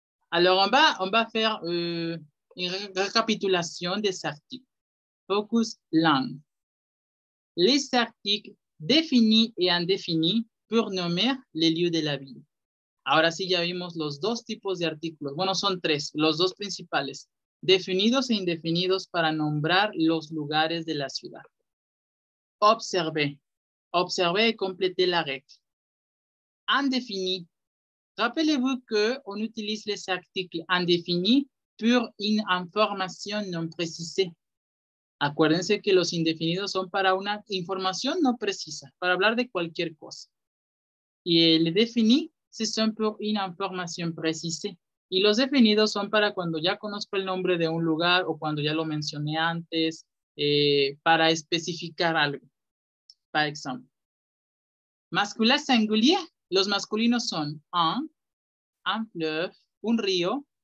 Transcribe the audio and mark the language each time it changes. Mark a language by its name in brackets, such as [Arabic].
[French] Alors, on va faire une récapitulation des articles. Focus langue. Les articles définis et indéfinis pour nommer les lieux de la ville. [Spanish] Ahora sí, ya vimos los dos tipos de artículos. Bueno, son tres, los dos principales. Definidos e indefinidos para nombrar los lugares de la ciudad. Observé. Observé y completé la regla. Indéfini. [French] Rappelez-vous que on utilise les articles indéfinis pour une information non précisée. [Spanish] Acuérdense que los indefinidos son para una información no precisa, para hablar de cualquier cosa. [French] Y el défini, ce sont pour une information précisée. [Spanish] Y los definidos son para cuando ya conozco el nombre de un lugar o cuando ya lo mencioné antes, para especificar algo. Por ejemplo, [French] masculin singulier. [Spanish] Los masculinos son [French] un fleuve, [Spanish] un río.